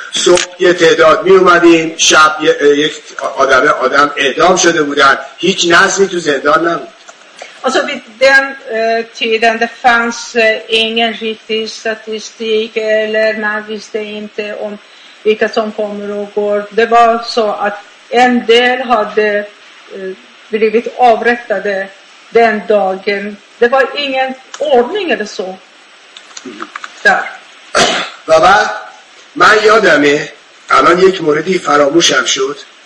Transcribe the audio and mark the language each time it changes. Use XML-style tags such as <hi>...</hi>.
<fa>صبح یه تعداد می اومدیم، شب یک آدم اعدام شده بودن، هیچ نظمی تو زندان نبود.</fa> <sv>Alltså vid den tiden det fanns ingen riktig statistik eller man visste inte om vilka som kommer och går. Det var så att en del hade blivit avrättade den dagen. Det var ingen ordning eller så.</sv> <fa>و بعد من یادمه الان یک موردی فراموشم شد.</fa>